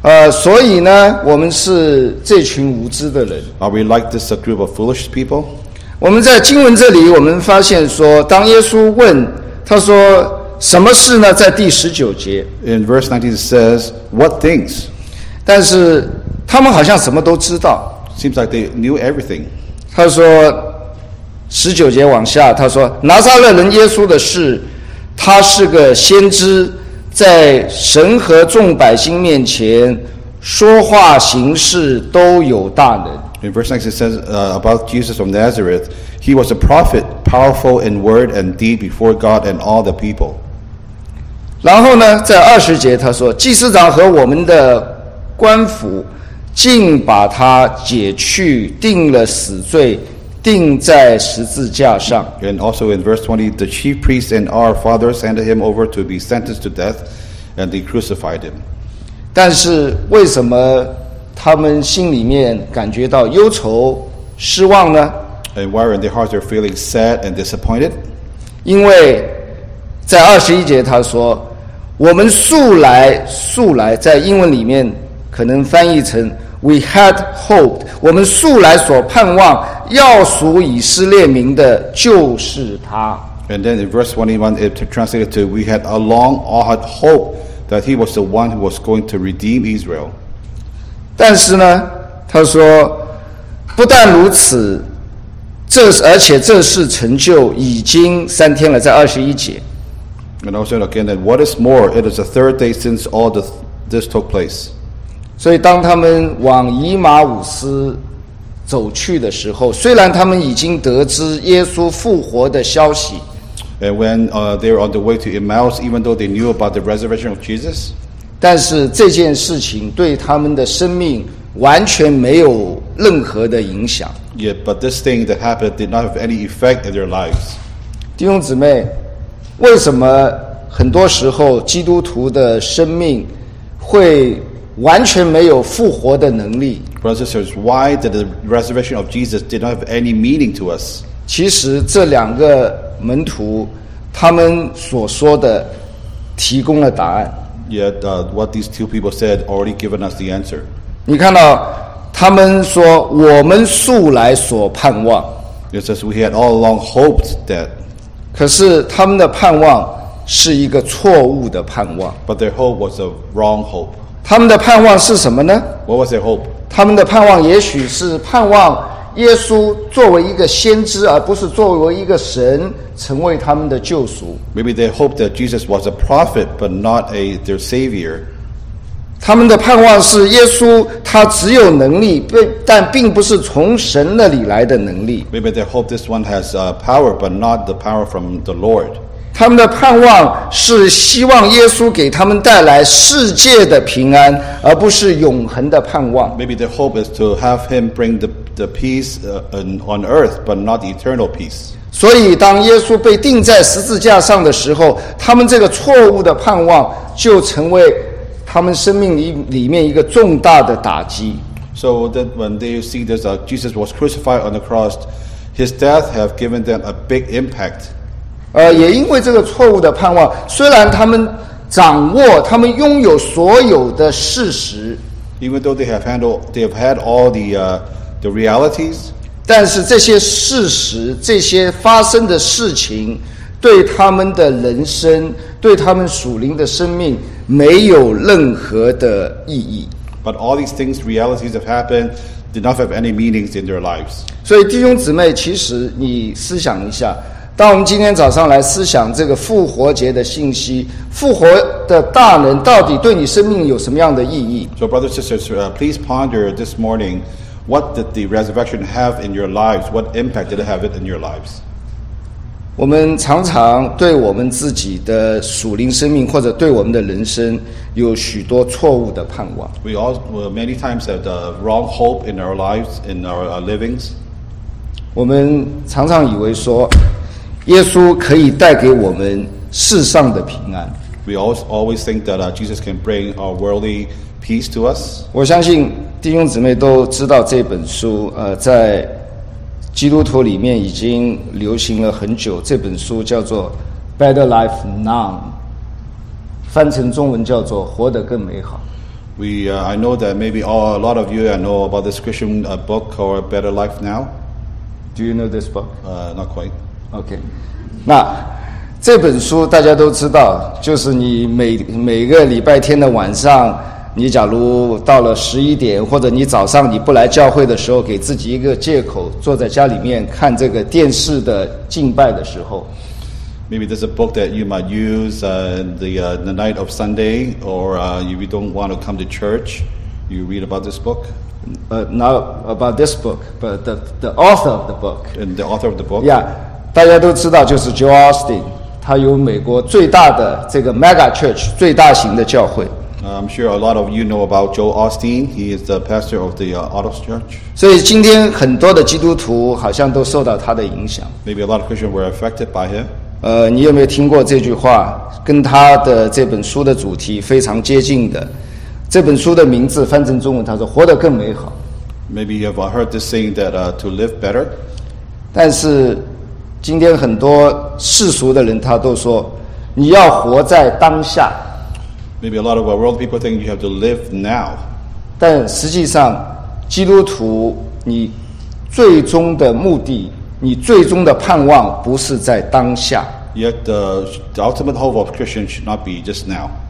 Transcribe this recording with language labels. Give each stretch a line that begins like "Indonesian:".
Chinese: 所以呢，我们是这群无知的人。
English: Are we like this group of foolish people？
Chinese: 我们在经文这里，我们发现说，当耶稣问他说什么事呢？在第十九节
English: ，In verse 19 it says, "What things？"
Chinese: 但是他们好像什么都知道。
English: Seems like they knew everything.
Chinese: 他说，十九节往下，他说，拿撒勒人耶稣的事，他是个先知，在神和众百姓面前，说话行事都有大能。
English: In verse 19 it says, about Jesus of Nazareth, he was a prophet, powerful in word and deed before God and all the people.
Chinese: 然后呢，在二十节他说，祭司长和我们的官府。竟把他解去，定了死罪，定在十字架上。
English: And also in verse 20, the chief priests and our fathers handed him over to be sentenced to death, and they crucified him.
Chinese: 但是为什么他们心里面感觉到忧愁、失望呢
English: ？And why in their hearts are feeling sad and disappointed?
Chinese: 因为在二十一节他说，我们素来在英文里面。可能翻译成
English: "We had hoped"，
Chinese: 我们素来所盼望要赎以色列民的就是他。
English: And then in verse 21, it translated to "We had a long, all had hope that he was the one who was going to redeem Israel."
Chinese: 但是呢，他说，不但如此，而且这事成就已经三天了，在二十一节。
English: And also again, that what is more, it is the third day since all this took place.
Chinese: 所以当他们往以马忤斯走去的时候，虽然他们已经得知耶稣复活的消息。
English: And when they were on the way to Emmaus, even though they knew about the resurrection of Jesus,
Chinese: 但是这件事情对他们的生命完全没有任何的影响。
English: Yeah, but this thing that happened did not have any effect in their lives.
Chinese: 弟兄姊妹，为什么很多时候基督徒的生命会完全没有复活的能力？
English: Brothers and sisters, why did the resurrection of Jesus did not have any meaning to us?
Chinese: 其实这两个门徒他们所说的提供了答案。
English: Yet, what these two people said already given us the answer.
Chinese: 你看到他们说我们素来所盼望。
English: It says we had all along hoped that.
Chinese: 可是他们的盼望是一个错误的盼望。
English: But their hope was a wrong hope.
Chinese: 他们的盼望是什么呢？
English: What was their hope?
Chinese: 他们的盼望也许是盼望耶稣作为一个先知，而不是作为一个神成为他们的救赎。
English: Maybe they hoped that Jesus was a prophet, but not their savior.
Chinese: 他们的盼望是耶稣他只有能力，但并不是从神那里来的能力。
English: Maybe they hope this one has power, but not the power from the Lord.
Chinese: 他们的盼望是希望耶稣给他们带来世界的平安，而不是永恒的盼望。
English: Maybe their hope is to have him bring the peace on earth, but not the eternal peace.
Chinese: 所以当耶稣被钉在十字架上的时候，他们这个错误的盼望就成为他们生命里面一个重大的打击。
English: So that when they see this, Jesus was crucified on the cross, his death have given them a big impact.
Chinese: 也因为这个错误的盼望，虽然他们掌握、他们拥有所有的事实
English: ，even though they have had all the realities，
Chinese: 但是这些事实、这些发生的事情。对他们的人生，对他们属灵的生命，没有任何的意义。
English: But all these things, realities have happened, did not have any meanings in their lives.
Chinese: 所以弟兄姊妹，其实你思想一下，当我们今天早上来思想这个复活节的信息，复活的大能到底对你生命有什么样的意义
English: ？So brothers and sisters, please ponder this morning, what did the resurrection have in your lives? What impact did it have in your lives?
Chinese: 我们常常对我们自己的属灵生命或者对我们的人生有许多错误的盼望。
English: We all many times have the wrong hope in our lives, in our livings.
Chinese: 我们常常以为说，耶稣可以带给我们世上的平安。
English: We always think that Jesus can bring our worldly peace to us.
Chinese: 我相信弟兄姊妹都知道这本书，在基督徒里面已经流行了很久，这本书叫做 Better Life Now， 翻成中文叫做活得更美好。
English: I know that maybe a lot of you I know about this Christian book called Better Life Now. Do you know this book? Not quite. Okay.
Chinese: 那这本书大家都知道，就是你每个礼拜天的晚上，你假如到了十一点，或者你早上你不来教会的时候，给自己一个借口，坐在家里面看这个电视的敬拜的时候
English: ，Maybe there's a book that you might use the night of Sunday, or if you don't want to come to church, you read about this book. Not about this book, but the author of the book. And the author of the book.
Chinese: Yeah, 大家都知道就是 Joe Austin， 他有美国最大的这个 mega church 最大型的教会。
English: I'm sure a lot of you know about Joe Austin. He is the pastor of the Autos Church.
Chinese: 所以今天很多的基督徒好像都受到他的影响。
English: Maybe a lot of Christians were affected by him.
Chinese: 你有没有听过这句话？跟他的这本书的主题非常接近的。这本书的名字翻成中文，他说"活得更美好"。
English: Maybe you have heard this saying that to live better.
Chinese: 但是今天很多世俗的人他都说，你要活在当下。
English: Maybe a lot of our world people think you have to live now.
Chinese: 但实际上，基督徒，你最终的目的，你最终的盼望，不是在当下。
English: Yet the ultimate hope of Christians should not be just now.